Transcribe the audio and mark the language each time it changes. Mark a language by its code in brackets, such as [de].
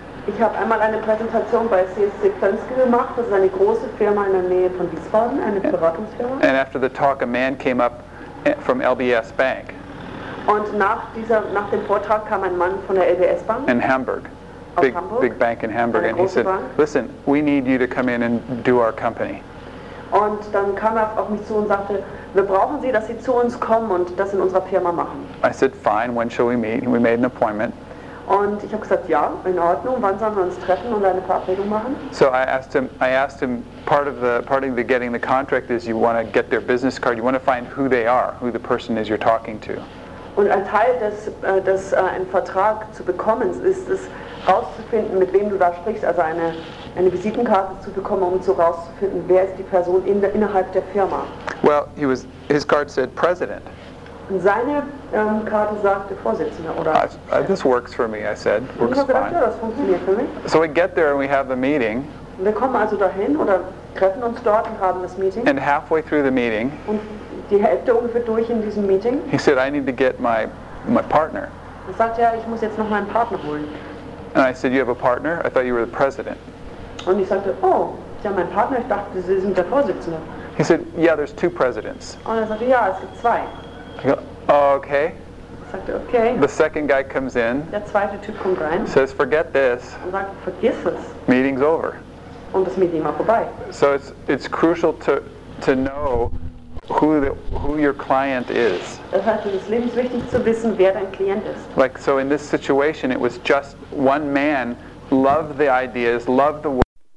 [de] Ich habe einmal eine Präsentation bei CSC Plenska gemacht, das ist eine große Firma in der Nähe von Wiesbaden, eine Beratungsfirma. [en] And after the talk, a man came up from LBS Bank. [de] Und nach dem Vortrag kam ein Mann von der LBS Bank. In Hamburg. [en] Big bank in Hamburg, and he said, "Listen, we need you to come in and do our company." [de] Und dann kam auf mich zu und sagte, wir brauchen Sie, dass Sie zu uns kommen und das in unserer Firma machen. [en] I said, "Fine. When shall we meet?" And we made an appointment. [de] Und ich habe gesagt, ja, in Ordnung. Wann sollen wir uns treffen und eine Verabredung machen? [en] So I asked him. Part of the getting the contract is you want to get their business card. You want to find who they are, who the person is you're talking to. [de] Und ein Teil des einen Vertrag zu bekommen ist es rauszufinden, mit wem du da sprichst, also eine Visitenkarte zu bekommen, um zu rauszufinden, wer ist die Person innerhalb der Firma. [en] Well, his card said president. [de] Und seine Karte sagte Vorsitzender oder. [en] This works for me, I said. Works fine. [de] Ich habe gedacht, ja, das funktioniert für mich. [en] So we get there and we have the meeting. [de] Wir kommen also dahin oder treffen uns dort und haben das Meeting. [en] And halfway through the meeting. [de] Und die Hälfte ungefähr durch in diesem Meeting. [en] He said, I need to get my partner. [de] Er sagte, ja, ich muss jetzt noch meinen Partner holen. [en] And I said, you have a partner? I thought you were the president. [de] Und ich sagte, oh, Sie haben einen Partner? Ich dachte, Sie sind der Vorsitzende. [en] He said, yeah, there's two presidents. [de] Und er sagte, ja, es gibt zwei. [en] I go, oh, okay. [de] Sagte, okay. [en] The second guy comes in. [de] Der zweite Typ kommt rein. [en] Says, forget this. [de] Und sagt, vergiss es. [en] Meeting's over. [de] Und das Meeting war vorbei. [en] So it's crucial to know who your client is. [de] Das heißt, es ist lebenswichtig zu wissen, wer dein Klient ist. [en] Like, so in this situation, it was just one man loved the ideas, loved the work.